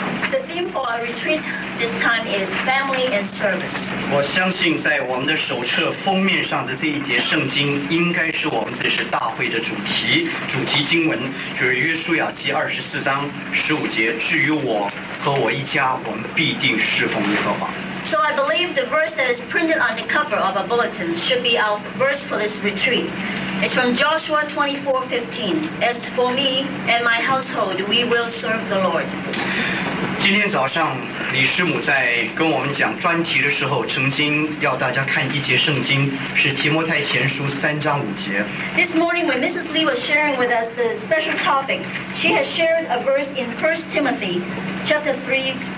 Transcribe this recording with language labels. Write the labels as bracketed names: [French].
[English] The theme for our retreat this time is family and service. [Chinese] 我相信在我们的手册封面上的这一节圣经应该是我们这次大会的主题经文，就是约书亚记24:15。至于我和我一家，我们必定侍奉耶和华。 [English] So I believe the verse that is printed on the cover of our bulletin should be our verse for this retreat. It's from Joshua 24:15. As for me and my household, we will serve the Lord. [Chinese] 今天早上李师母在跟我们讲专题的时候，曾经要大家看一节圣经，是提摩太前书3:5。 [English] This morning when Mrs. Lee was sharing with us the special topic, she has shared a verse in 1 Timothy 3:15.